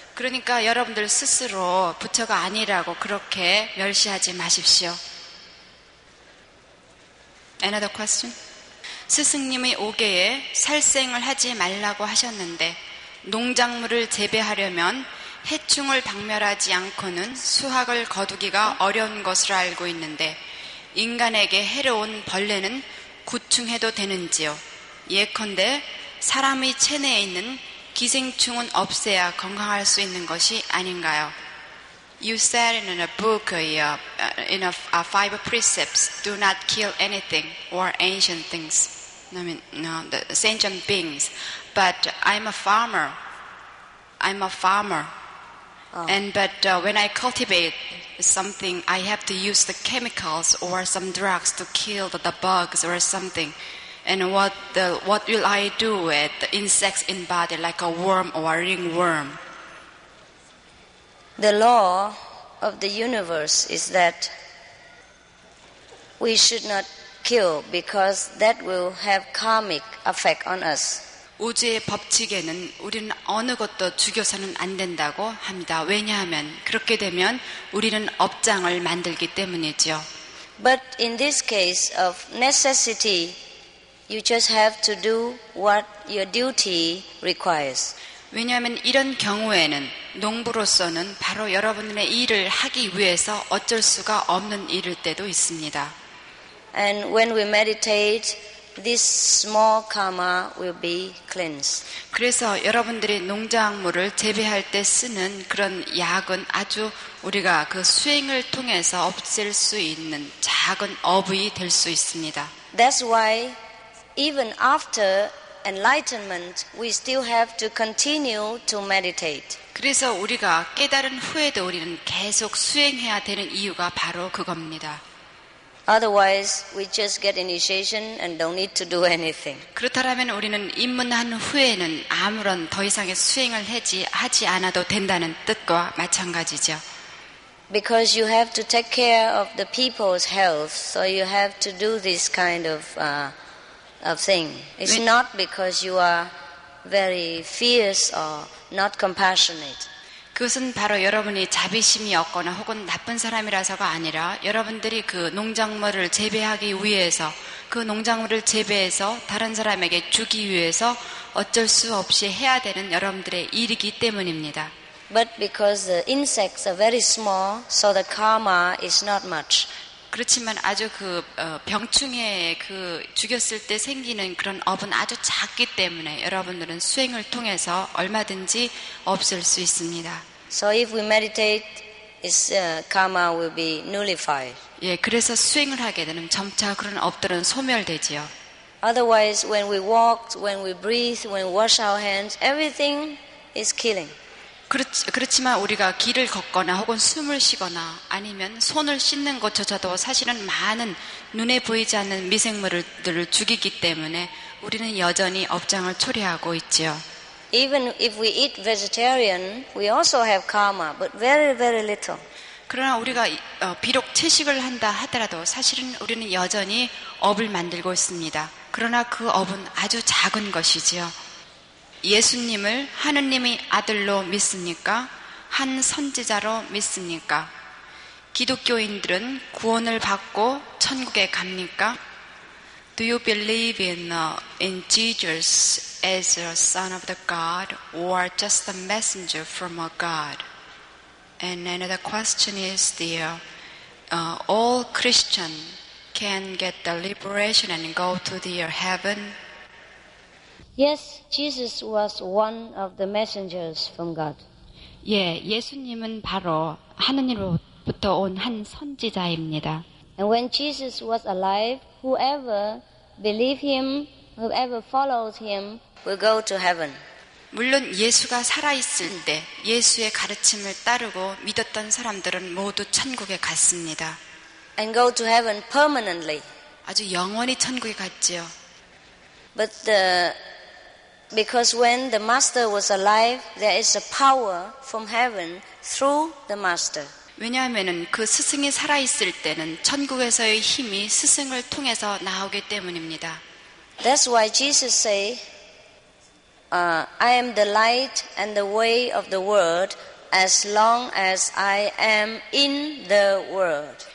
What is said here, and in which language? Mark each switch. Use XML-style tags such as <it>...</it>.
<ko>그러니까 여러분들 스스로 부처가 아니라고 그렇게 멸시하지 마십시오.</ko> <en>Another question.</en> <ko>스승님의 오계에 살생을 하지 말라고 하셨는데 농작물을 재배하려면 해충을 박멸하지 않고는 수확을 거두기가 어려운 것으로 알고 있는데 인간에게 해로운 벌레는 구충해도 되는지요? 예컨대 사람의 체내에 있는 기생충은 없애야 건강할 수 있는 것이 아닌가요?</ko> <en>You said in a book, in a five precepts, do not kill anything or ancient things. I mean, no, the sentient beings. But I'm a farmer. Oh. But when I cultivate something, I have to use the chemicals or some drugs to kill the bugs or something. And what will I do with the insects in body, like a worm or a ringworm? the law of the universe is that we should not kill because that will have karmic effect on us.</en> <ko>우주의 법칙에는 우리는 어느 것도 죽여서는 안 된다고 합니다. 왜냐하면 그렇게 되면 우리는 업장을 만들기 때문이죠.</ko> <en>But in this case of necessity, you just have to do what your duty requires.</en> <ko>왜냐하면 이런 경우에는 농부로서는 바로 여러분의 일을 하기 위해서 어쩔 수가 없는 일일 때도 있습니다.</ko> <en>And when we meditate, this small karma will be cleansed.</en> <ko>그래서 여러분들이 농작물을 재배할 때 쓰는 그런 약은 아주 우리가 그 수행을 통해서 없앨 수 있는 작은 업이 될 수 있습니다.</ko> <en>That's why even after enlightenment, we still have to continue to meditate.</en> <ko>그래서 우리가 깨달은 후에도 우리는 계속 수행해야 되는 이유가 바로 그겁니다.</ko> <en>Otherwise, we just get initiation and don't need to do anything.</en> <ko>그렇다면 우리는 입문한 후에는 아무런 더 이상의 수행을 하지 않아도 된다는 뜻과 마찬가지죠.</ko> <en>Because you have to take care of the people's health, so you have to do this kind of thing. It's not because you are very fierce or not compassionate.</en> <ko>그것은 바로 여러분이 자비심이 없거나 혹은 나쁜 사람이라서가 아니라 여러분들이 그 농작물을 재배하기 위해서 그 농작물을 재배해서 다른 사람에게 주기 위해서 어쩔 수 없이 해야 되는 여러분들의 일이기 때문입니다.</ko> <en>But because the insects are very small, so the karma is not much.</en> <ko>그렇지만 아주 그 병충해 그 죽였을 때 생기는 그런 업은 아주 작기 때문에 여러분들은 수행을 통해서 얼마든지 없을 수 있습니다.</ko> <en>So if we meditate, its karma will be nullified.</en> <ko>예, 그래서 수행을 하게 되면 점차 그런 업들은 소멸되지요.</ko> <en>Otherwise, when we walk, when we breathe, when we wash our hands, everything is killing.</en> <ko>그렇지만 우리가 길을 걷거나 혹은 숨을 쉬거나 아니면 손을 씻는 것조차도 사실은 많은 눈에 보이지 않는 미생물들을 죽이기 때문에 우리는 여전히 업장을 초래하고 있지요.</ko> <en>Even if we eat vegetarian, we also have karma, but very, very little.</en> <ko>그러나 우리가 비록 채식을 한다 하더라도 사실은 우리는 여전히 업을 만들고 있습니다. 그러나 그 업은 아주 작은 것이지요. 예수님을 하느님의 아들로 믿습니까? 한 선지자로 믿습니까? 기독교인들은 구원을 받고 천국에 갑니까?</ko> <en>Do you believe in Jesus as a son of the God or just a messenger from a God? And another question is there, all Christians can get the liberation and go to their heaven? Yes, Jesus was one of the messengers from God.</en> <ko>예, 예수님은 바로 하느님으로부터 온 한 선지자입니다.</ko> <en>And when Jesus was alive, whoever believed him, whoever followed him, will go to heaven.</en> <ko>물론 예수가 살아있을 때 예수의 가르침을 따르고 믿었던 사람들은 모두 천국에 갔습니다.</ko> <en>And go to heaven permanently.</en> <ko>아주 영원히 천국에 갔지요.</ko> <en>But the Because when the Master was alive, there is a power from heaven through the Master.</en> <ko>왜냐하면 그 스승이 살아있을 때는 천국에서의 힘이 스승을 통해서 나오기 때문입니다.</ko> <en>That's why Jesus said, I am the light and the way of the world as long as I am in the world.</en>